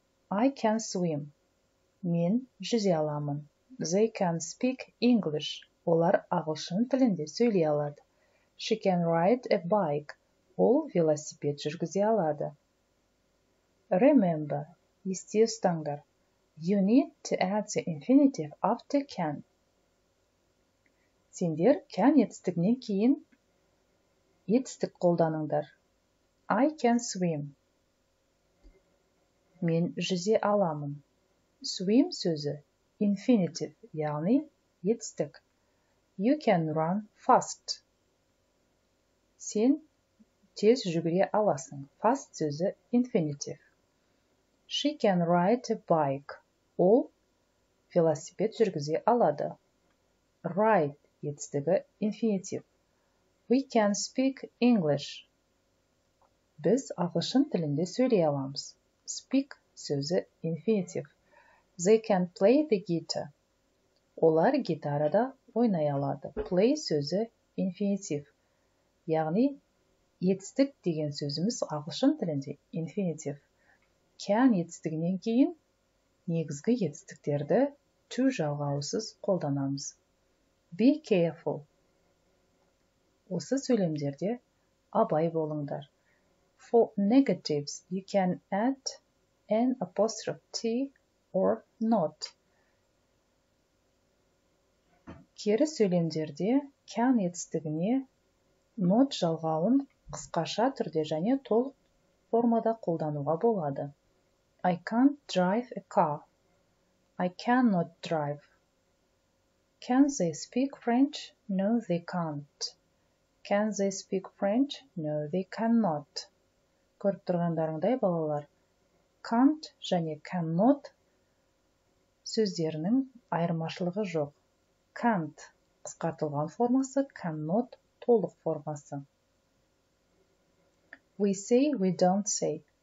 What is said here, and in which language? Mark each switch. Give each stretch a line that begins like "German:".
English: I can swim.
Kazakh: Мен жүзе аламын.
English: They can speak English.
Kazakh: Олар ағылшын тілінде сөйлей алады.
English: She can ride a bike.
Kazakh: Ол велосипед жүргізе алады. Remember, есте ұстаңдар.
English: You need to add the infinitive after can.
Kazakh: Сендер can етістігінен кейін етістік қолданыңдар.
English: I can swim.
Kazakh: Мен жүзе аламын. Swim сөзі infinitive, яғни етістік.
English: You can run fast.
Kazakh: Сен тез жүгіре аласың. Fast сөзі infinitive.
English: She can ride a bike.
Kazakh: Ол велосипед жүргізе алады. Ride етістігі infinitive.
English: We can speak English.
Kazakh: Біз ағылшын тілінде сөйлей аламыз. Speak сөзі infinitive.
English: They can play the guitar.
Kazakh: Олар гитарада ойнай алады. Play сөзі infinitive. Яғни, етістік деген сөзіміз ағылшын тілінде infinitive. Can етістігінен кейін негізгі етістіктерді to жалғаусыз қолданамыз.
English: Be careful.
Kazakh: Осы сөйлемдерде абай болыңдар.
English: For negatives, you can add an apostrophe T or not.
Kazakh: Кері сөйлемдерде can етістігіне not жалғауын қысқаша түрде және толық формада қолдануға болады.
English: I can't drive a car. I cannot drive. Can they speak French? No, they can't. Can they speak French? No, they cannot.
Kazakh: Көріп тұрғандарыңдай, балалар.
English: К
Kazakh: can't және cannot сөздерінің айырмашылығы жоқ. Can't қысқартылған формасы, cannot толық формасы.
English: We say, we don't say.